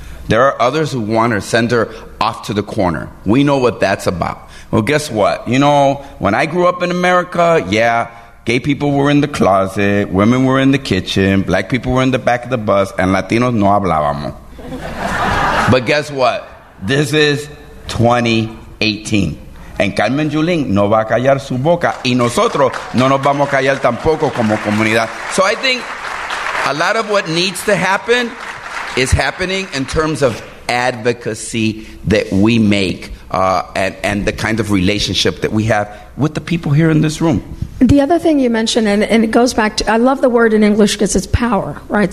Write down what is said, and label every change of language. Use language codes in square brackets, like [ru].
[en] There are others who want to send her off to the corner. We know what that's about. Well, guess what? You know, when I grew up in America, yeah, gay people were in the closet, women were in the kitchen, black people were in the back of the bus, and Latinos [es] no hablábamos. [en] But guess what? This is 2018. [es] And Carmen Julin no va a callar su boca, y nosotros no nos vamos a callar tampoco como comunidad. [en] So I think a lot of what needs to happen is happening in terms of advocacy that we make and the kind of relationship that we have with the people here in this room. The other thing you mentioned, and it goes back to, I love the word in English because it's power, right?